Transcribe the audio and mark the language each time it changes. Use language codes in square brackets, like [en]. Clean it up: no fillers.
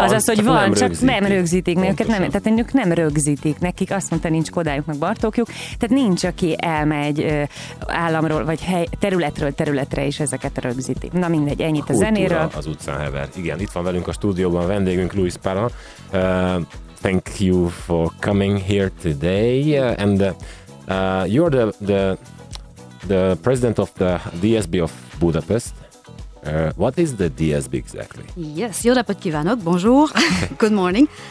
[hu] azaz, hogy van, nem csak rögzítik. Nem rögzítik. Őket nem, tehát ők nem rögzítik. Nekik azt mondta, nincs kodájuk, meg bartókjuk. Tehát nincs, aki elmegy államról, vagy hely, területről területre is ezeket rögzíti. Na mindegy, ennyit a zenéről. Az utcán hever. Igen, itt van velünk a stúdióban a vendégünk, Luis Pala. [en] Thank you for coming here today. And you're the president of the DSB of Budapest. What is the DSB exactly? [hu] Yes, jó napot kívánok, bonjour, [en] good morning.